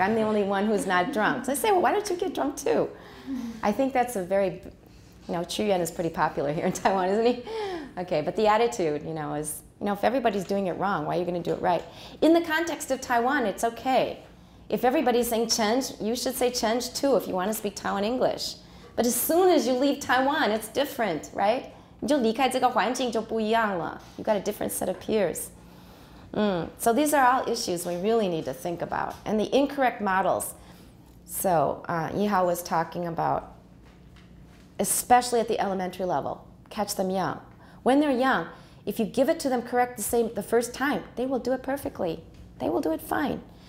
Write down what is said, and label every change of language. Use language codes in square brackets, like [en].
[en] I'm the only one who's not drunk. So I say, well, why don't you get drunk too? I think that's a very, you know, Qu Yuan is pretty popular here in Taiwan, isn't he? Okay, but the attitude, you know, is, you know, if everybody's doing it wrong, why are you going to do it right? In the context of Taiwan, it's okay. If everybody's saying Chen, you should say Chen too if you want to speak Taiwan English. But as soon as you leave Taiwan, it's different, right? [zh] 你就离开这个环境就不一样了。 [en] You've got a different set of peers. So these are all issues we really need to think about. And the incorrect models. So Yihao was talking about, especially at the elementary level, catch them young. When they're young, if you give it to them correct the same the first time, they will do it perfectly. They will do it fine.